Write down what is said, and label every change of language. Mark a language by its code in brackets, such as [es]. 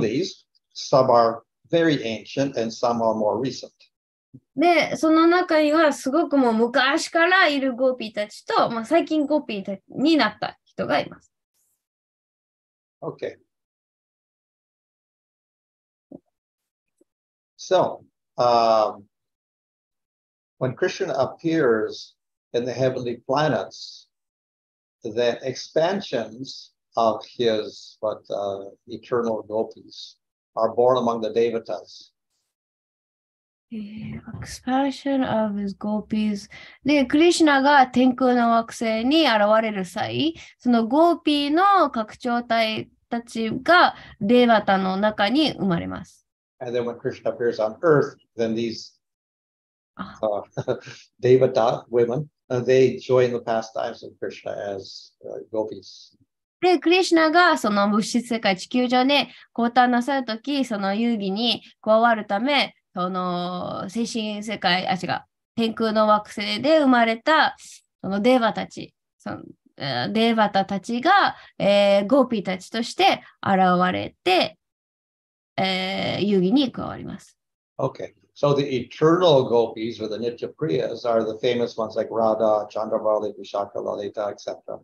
[en] these, some are very ancient and some are more recent. [ja] で、その中にはすごくもう昔からいるゴーピーたちと、まあ最近ゴーピーになった人がいます。 [en] Okay. So, when Krishna appears in the heavenly planets, the expansions of his eternal gopis are born among the devatas. The expansion of his gopis. [ja] で、 Krishna が天空の惑星に現れる際、そのゴーピーの拡張体たちがデーバタの中に生まれます。 [en] And then when Krishna appears on earth, then these devata women, they join the pastimes of Krishna as gopis. [ja] で、 Krishna がその物質世界地球上で降誕なさるとき、その遊戯に加わるため、その精神世界、あ、違う、天空の惑星で生まれたそのデーバタたち、そのデーバタたちがゴーピーたちとして現れて、 [en] Okay, so the eternal gopis or the Nitya Priyas are the famous ones like Radha, Chandravali, Vishaka, Lalita, etc.